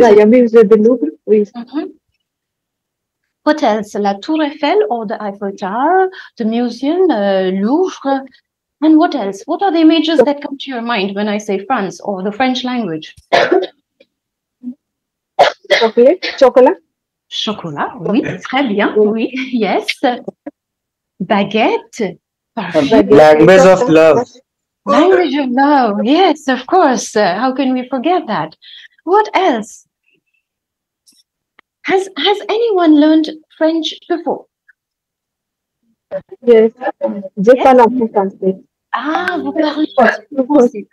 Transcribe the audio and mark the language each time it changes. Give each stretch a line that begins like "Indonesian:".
English: yeah,
French: Musée de Louvre. Oui.
English: Mm-hmm. What else? La Tour Eiffel or the Eiffel Tower, the Museum Louvre. And what else? What are the images that come to your mind when I say France or the French language? Chocolate. Chocolat.
French: Chocolat, oui, très bien, oui,
English: yes. Baguette. Language of love. Language of love, yes, of course. How can we forget that? What else? Has anyone learned French before? Yes.
French: Pas l'appris français. Ah, vous parlez français.